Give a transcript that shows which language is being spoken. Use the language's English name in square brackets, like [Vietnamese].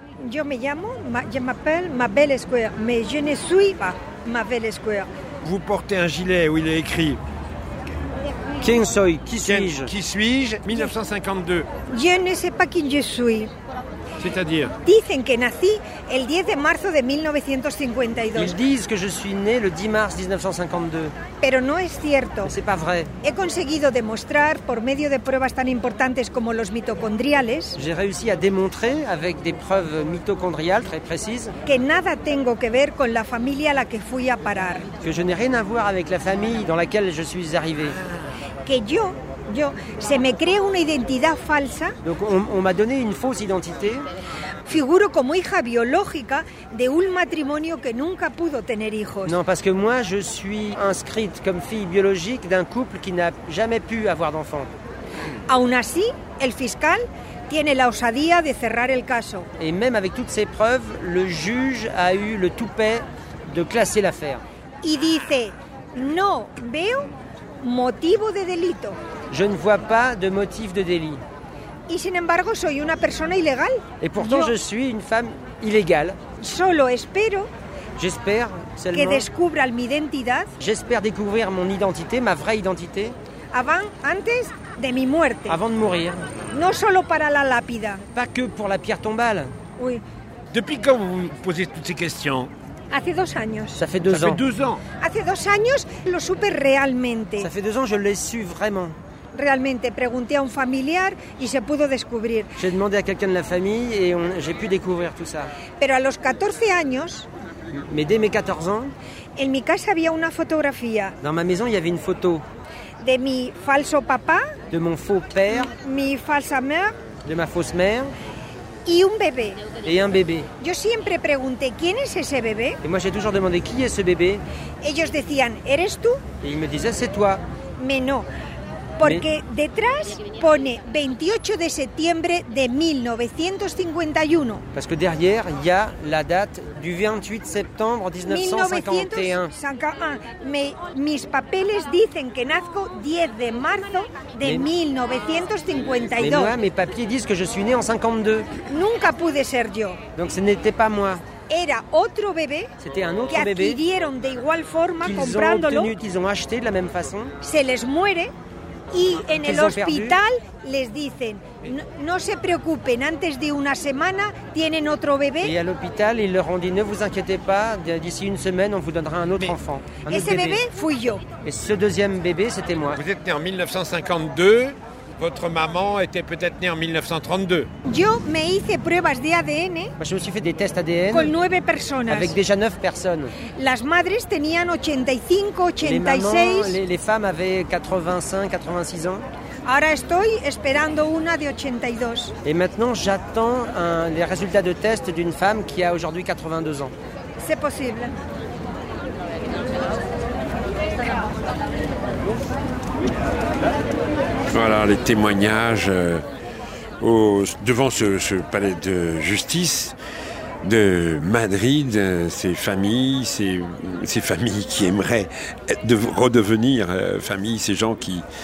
[Spanish] Yo me llamo, [French] je m'appelle Mabel Square, mais je ne suis pas Mabel Square. Vous portez un gilet où il est écrit [Spanish] Quién soy, [French] qui suis-je? Qui suis-je? 1952. Je ne sais pas qui je suis. C'est-à-dire? [Spanish] Dicen que nací el 10 de marzo de 1952. [French] Ils disent que je suis né le 10 mars 1952. [Spanish] Pero no es cierto. [French] Mais c'est pas vrai. [Spanish] He conseguido demostrar por medio de pruebas tan importantes como los mitocondriales. [French] J'ai réussi à démontrer avec des preuves mitochondriales très précises. [Spanish] Que nada tengo que ver con la familia a la que fui a parar. [French] Que je n'ai rien à voir avec la famille dans laquelle je suis arrivé. [Spanish] Que yo se me crea una identidad falsa. [French] Donc on m'a donné une fausse identité. [Spanish] Figuro como hija biológica de un matrimonio que nunca pudo tener hijos. [French] Non, parce que moi je suis inscrite comme fille biologique d'un couple qui n'a jamais pu avoir d'enfant. [Spanish] Aun así, el fiscal tiene la osadía de cerrar el caso. [French] Et même avec toutes ces preuves, le juge a eu le toupet de classer l'affaire. [Spanish] Y dice, "No veo motivo de delito." [French] Je ne vois pas de motif de délit. [Spanish] Y sin embargo, soy una persona ilegal. [French] Et pourtant, je suis une femme illégale. [Spanish] Solo espero. [French] J'espère seulement. [Spanish] Que descubra mi identidad. [French] J'espère découvrir mon identité, ma vraie identité. [Spanish] Antes de mi muerte. [French] Avant de mourir. [Spanish] No solo para la lápida. [French] Pas que pour la pierre tombale. Oui. Depuis quand vous posez toutes ces questions? [Spanish] Hace dos años. [French] Ça fait deux ça ans. Ça fait 2 ans. [Spanish] Hace dos años lo supe realmente. [French] Ça fait 2 ans, je l'ai su vraiment. [Spanish] Realmente, pregunté a un familiar y se pudo descubrir. [French] J'ai demandé à quelqu'un de la famille et j'ai pu découvrir tout ça. [Spanish] Pero a los 14 años. [French] Mais dès mes 14 ans. [Spanish] En mi casa había una fotografía. [French] Dans ma maison, il y avait une photo. [Spanish] De mi falso papá. [French] De mon faux père. [Spanish] Mi falsa mère. [French] De ma fausse mère. [Spanish] Y un bebé. [French] Et un bébé. [Spanish] Yo siempre pregunté, ¿quién es ese bebé? [French] Et moi j'ai toujours demandé qui est ce bébé. [Spanish] Ellos decían, ¿eres tú? [French] Et ils me disaient, c'est toi. Mais non. [Spanish] Porque detrás pone 28 de septiembre de 1951. [French] Parce que derrière, il y a la date du 28 septembre 1951. [Spanish] Mis papeles dicen que nazco 10 de marzo de 1952. [French] Mais moi, mes papiers disent que je suis né en 52. [Spanish] Nunca pude ser yo. [French] Donc ce n'était pas moi. [Spanish] Era otro bebé. [French] C'était un autre que bébé. [Spanish] Que adquirieron de igual forma, comprándolo. [French] Ils ont acheté de la même façon. [Spanish] Se les muere. Y en el hospital les dicen, no se preocupen, antes de una semana tienen otro bebé. [French] Et à l'hôpital, ils leur ont dit, ne vous inquiétez pas, d'ici une semaine, on vous donnera un autre enfant. [Spanish] Ese bebé fui yo. [French] Et ce deuxième bébé, c'était moi. Vous êtes né en 1952, votre maman était peut-être née en 1932. [Spanish] Yo me hice pruebas de ADN. [French] Moi, je me suis fait des tests ADN. [Spanish] Con 9 personas. [French] Avec déjà 9 personnes. [Spanish] Las madres tenían 85, 86. [French] Les femmes avaient 85, 86 ans. [Spanish] Ahora estoy esperando una de 82. [French] Et maintenant, j'attends les résultats de tests d'une femme qui a aujourd'hui 82 ans. C'est possible. Voilà les témoignages devant ce palais de justice de Madrid, ces familles qui aimeraient redevenir famille, ces gens qui